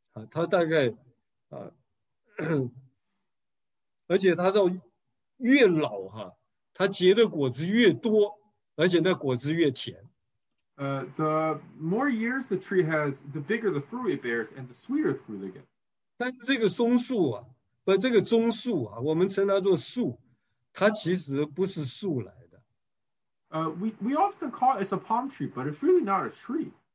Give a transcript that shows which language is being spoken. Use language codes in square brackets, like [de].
[zh] 它大概，而且它到越老哈，它结的果子越多，而且那果子越甜。 [en] The more years the tree has, the bigger the fruit it bears, and the sweeter the fruit it gets. [zh] 但是这个松树啊，不，这个棕树啊，我们称它做树，它其实不是树来的。 [en] We often call it a palm tree, but it's really not a tree.